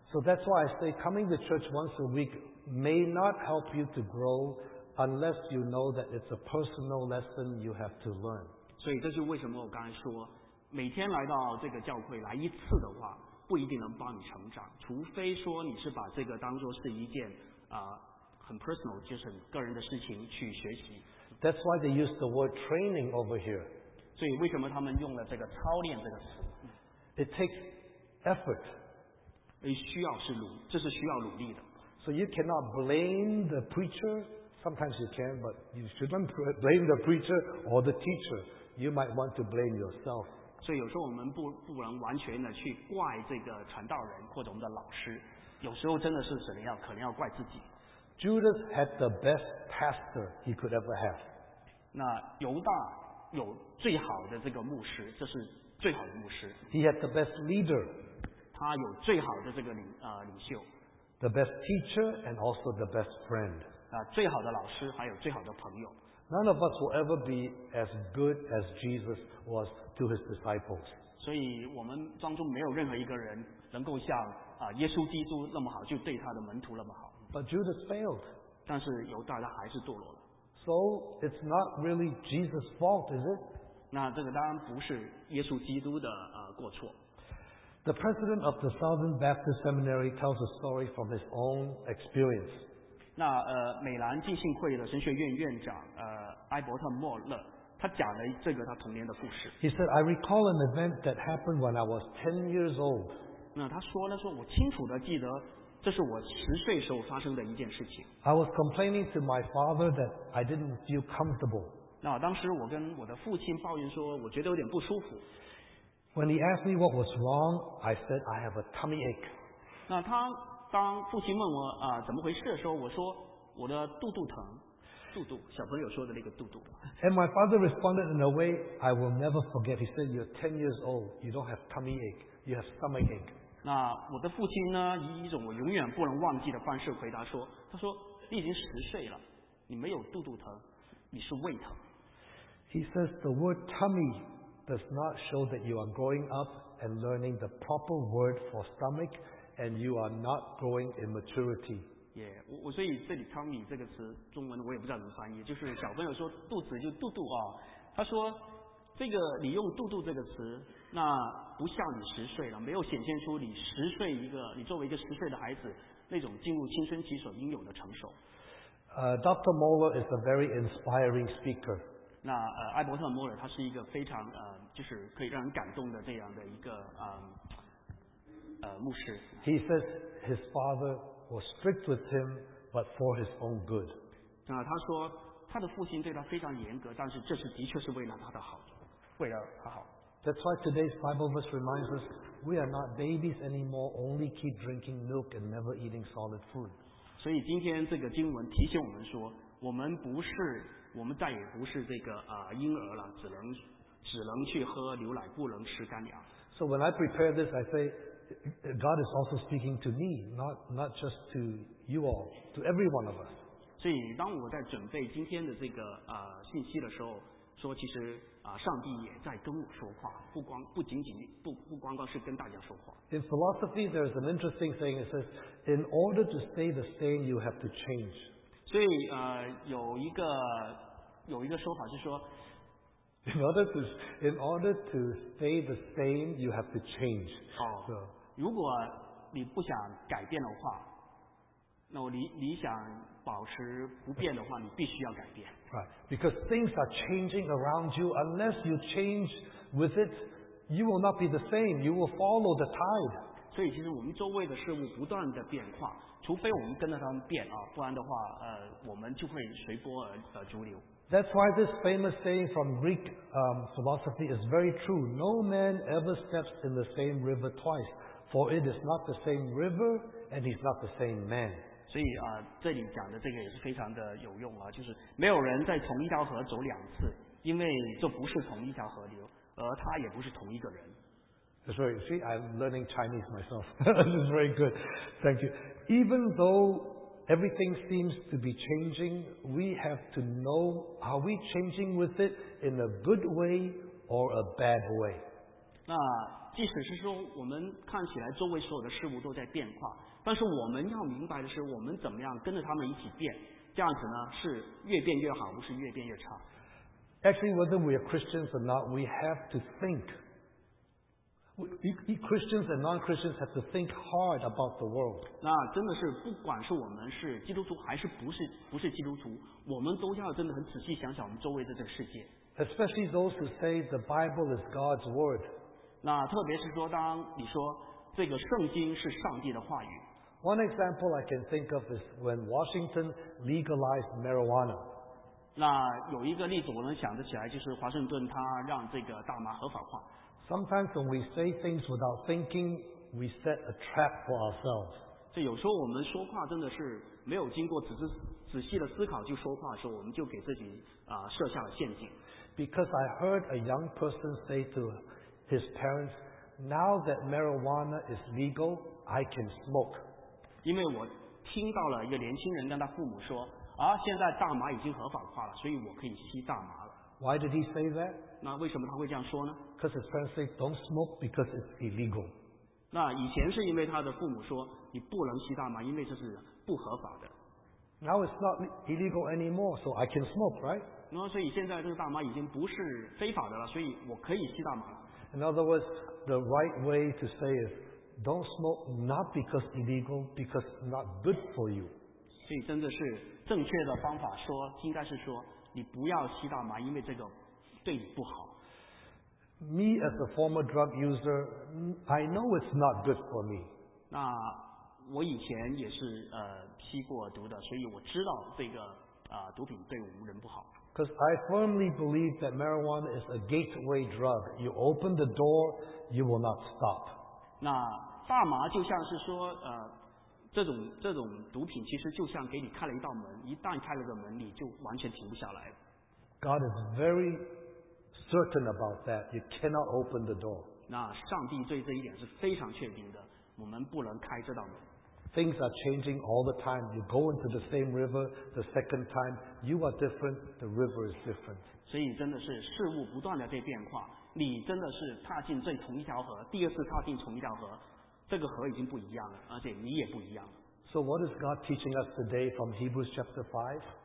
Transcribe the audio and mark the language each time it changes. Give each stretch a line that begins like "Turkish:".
English: So that's why I say coming to church once a week may not help you to grow unless you know that it's a personal lesson you have to learn.
Chinese: 所以这是为什么我刚才说，每天来到这个教会来一次的话，不一定能帮你成长，除非说你是把这个当作是一件很 personal， 就是很个人的事情去学习。
English: That's why they use the word training over here。
Chinese: 所以为什么他们用了这个操练这个词
English: ？It takes effort。
Chinese: 需要是努，这是需要努力的。
English: So you cannot blame the preacher。 Sometimes you can, but you shouldn't blame the preacher or the teacher. You might want to blame yourself.
Chinese: 所以有时候我们不能完全的去怪这个传道人或者我们的老师。有时候真的是可能要怪自己。
English: Judas had the best pastor he could ever have.
Chinese: 那犹大有最好的这个牧师，这是最好的牧师。
English: He had the best leader.
Chinese: 他有最好的这个领袖。
English: The best teacher and also the best friend.
Chinese: 最好的老师还有最好的朋友。
English: None of us will ever be as good as Jesus was to his disciples.
Chinese: 所以我们当中没有任何一个人能够像耶稣基督那么好，就对他的门徒那么好。
English: But Judas failed.
Chinese: 但是犹大他还是堕落了。
English: So it's not really Jesus' fault, is it?
Chinese: 那这个当然不是耶稣基督的过错。
English: The president of the Southern Baptist Seminary tells a story from his own experience.
Chinese: 那美兰浸信会的神学院院长埃伯特莫勒，他讲了这个他童年的故事。
English: He said, "I recall an event that happened when I was 10 years old."
Chinese: 那他说了，说我清楚的记得。这是我十岁时候发生的一件事情。
English: I was complaining to my father that I didn't feel comfortable.
Chinese: 那当时我跟我的父亲抱怨说，我觉得有点不舒服。
English: When he asked me what was wrong, I said I have a tummy ache.
Chinese: 那当父亲问我怎么回事的时候，我说我的肚肚疼，肚肚，小朋友说的那个肚肚。
English: And my father responded in a way I will never forget. He said, "You're 10 years old. You don't have tummy ache. You have stomach ache."
Chinese: 那我的父亲呢，以一种我永远不能忘记的方式回答说，他说你已经十岁了，你没有肚肚疼，你是胃疼。
English: He says the word tummy does not show that you are growing up and learning the proper word for stomach and you are not growing in maturity.
Chinese: Yeah, 我所以这里 tummy 这个词中文我也不知道怎么翻译，就是小朋友说肚子就肚肚啊，他说这个你用肚肚这个词，那不像你十岁了，没有显现出你十岁一个，你作为一个十岁的孩子那种进入青春期所应有的成熟。
English: Dr. Moller is a very inspiring speaker.
Chinese: 那艾伯特·莫尔他是一个非常就是可以让人感动的这样的一个牧师。
English: He says his father was strict with him, but for his own good.
Chinese: 那他说他的父亲对他非常严格，但是这是的确是为了他的好，为了他好。
English: That's why today's Bible verse reminds us we are not babies anymore, only keep drinking milk and never eating solid food.
Chinese: 所以今天这个经文提醒我们说，我们再也不是这个婴儿了，只能去喝牛奶，不能吃干粮。
English: So when I prepare this, I say God is also speaking to me, not just to you all, to every one of us.
Chinese: 所以当我在准备今天的这个信息的时候，说其实上帝也在跟我说话，不光是跟大家说话。
English: In philosophy, there is an interesting saying. It says, "In order to stay the same, you have to change."
Chinese: 所以有一个说法是说
English: ，In order to stay the same, you have to change.
Chinese: 如果你不想改变的话，那你想保持不变的话，你必须要改变。
English: Right, because things are changing around you. Unless you change with it, you will not be the same. You will follow the tide.
Chinese: 所以其实我们周围的事物不断的变化，除非我们跟着他们变不然的话我们就会随波而逐流。
English: That's why this famous saying from Greek philosophy is very true. No man ever steps in the same river twice, for it is not the same river, and he's not the same man.
Chinese: 所以这里讲的这个也是非常的有用就是没有人在同一条河走两次，因为这不是同一条河流，而他也不是同一个人。
English: Sorry, see, I'm learning Chinese myself. This is very good. Thank you. Even though everything seems to be changing, we have to know, are we changing with it in a good way or a bad way?
Chinese: 那即使是说我们看起来周围所有的事物都在变化，但是我们要明白的是我们怎么样跟着他们一起变，这样子呢是越变越好，不是越变越差。
English: Actually, whether we are Christians or not, we have to think Christians and non-Christians have to think hard about the world.
Chinese: 那真的是不管是我们是基督徒还是不是基督徒，我们都要真的很仔细想想我们周围的这个世界。
English: Especially those who say the Bible is God's word.
Chinese: 那特别是说，当你说这个圣经是上帝的话语。
English: One example I can think of is when Washington legalized marijuana.
Chinese: 那有一个例子我能想得起来，就是华盛顿他让这个大麻合法化。
English: Sometimes when we say things without thinking, we set a trap for ourselves.
Chinese: 所以有时候我们说话真的是没有经过仔细的思考就说话的时候，我们就给自己设下了陷阱。
English: Because I heard a young person say to his parents, "Now that marijuana is legal, I can smoke."
Chinese: 因为我听到了一个年轻人跟他父母说，现在大麻已经合法化了，所以我可以吸大麻了。
English: Why did he say that?
Chinese: 那为什么他会这样说呢？
English: Because his parents say don't smoke because it's illegal.
Chinese: 那以前是因为他的父母说你不能吸大麻，因为这是不合法的。
English: Now it's not illegal anymore, so I can smoke, right?
Chinese: 那所以现在这个大麻已经不是非法的了，所以我可以吸大麻了。
English: In other words, the right way to say is don't smoke not because illegal, because not good for you.
Chinese: 所以真的是正确的方法说，应该是说你不要吸大麻，因为这个对你不好。
English: Me as a former drug user, I know it's not good for me.
Chinese: 那我以前也是吸过毒的，所以我知道这个毒品对我们人不好。
English: Because I firmly believe that marijuana is a gateway drug. You open the door, you will not stop.
Chinese: 那大麻就像是说这种毒品其实就像给你开了一道门，一旦开了个门，你就完全停不下来。
English: God is very certain about that. You cannot open the door.
Chinese: 那上帝对这一点是非常确定的，我们不能开这道门。
English: Things are changing all the time. You go into the same river the second time, you are different. The river is different.
Chinese: 所以真的是事物不断的在变化。你真的是踏进这同一条河，第二次踏进同一条河，这个河已经不一样了，而且你也不一样。
English: So what is God teaching us today from Hebrews chapter 5?